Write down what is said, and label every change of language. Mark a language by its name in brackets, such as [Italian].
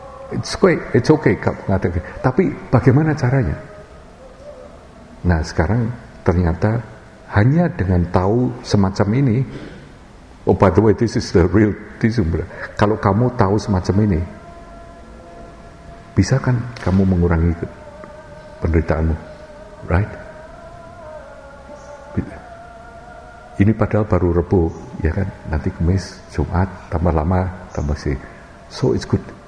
[English] It's okay, it's okay, [Indonesian] kamu mengatakan. Tapi bagaimana caranya? Nah, sekarang ternyata hanya dengan tahu semacam ini. [English] Oh, by the way, this is the real thing. [Indonesian] Kalau kamu tahu semacam ini, bisa kan kamu mengurangi penderitaanmu, right? Ini padahal baru Rebo, ya kan? Nanti Kamis, Jumat, tambah lama, tambah sih. [English] So it's good.